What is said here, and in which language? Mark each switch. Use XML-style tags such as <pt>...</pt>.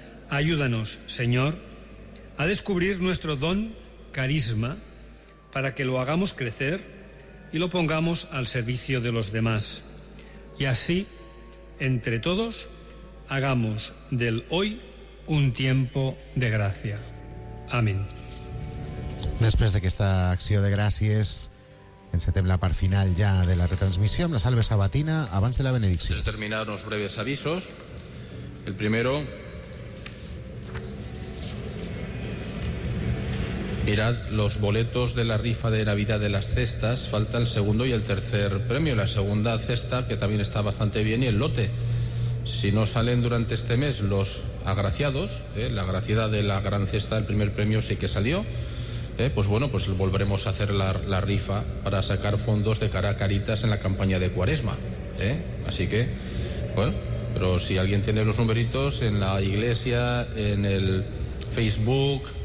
<es>Ayúdanos, Señor, a descubrir nuestro don carisma para que lo hagamos crecer y lo pongamos al servicio de los demás. Y así, entre todos, hagamos del hoy un tiempo de gracia. Amén.</es> <ca>Després d'aquesta acció de gràcies, encetem la part final ja de la retransmissió amb la salve sabatina abans de la benedicció. Vull terminar uns breus avisos.</ca> <es>El primero, mirad los boletos de la rifa de Navidad de las cestas. Falta el segundo y el tercer premio. La segunda cesta, que también está bastante bien, y el lote. Si no salen durante este mes los agraciados, la agraciada de la gran cesta del primer premio sí que salió, pues bueno, pues volveremos a hacer la rifa para sacar fondos de cara a Caritas en la campaña de Cuaresma, Así que, bueno, pero si alguien tiene los numeritos en la iglesia, en el Facebook,</es>